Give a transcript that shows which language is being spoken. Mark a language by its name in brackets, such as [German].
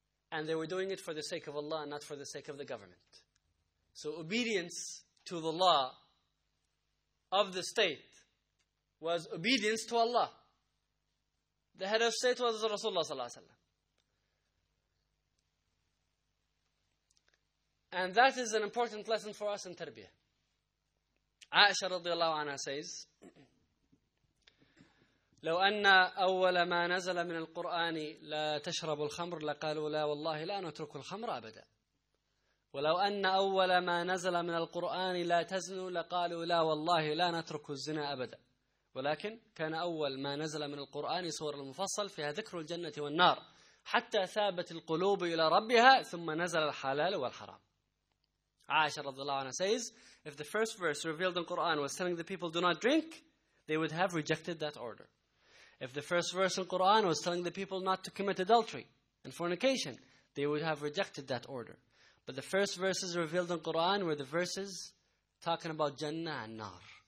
[English] And they were doing it for the sake of Allah, not for the sake of the government. So obedience to the law of the state was obedience to Allah. The head of state was Rasulullah sallallahu alaihi wasallam. And that is an important lesson for us in tarbiyah. [Arabic] Aisha radiallahu anha says, لو أن أول ما نزل من القرآن لا تشرب الخمر لقالوا لا والله لا نترك الخمر أبدا ولو أن أول ما نزل من القرآن لا تزنوا لقالوا لا والله لا نترك الزنا أبدا ولكن كان أول ما نزل من القرآن سورة المفصل فيها ذكر الجنة والنار حتى ثابت القلوب إلى ربها ثم نزل الحلال والحرام. [English] عائشة رضي الله عنها says, if the first verse revealed in Quran was telling the people do not drink, they would have rejected that order. If the first verse in Quran was telling the people not to commit adultery and fornication, they would have rejected that order. But the first verses revealed in Quran were the verses talking about Jannah and Nar.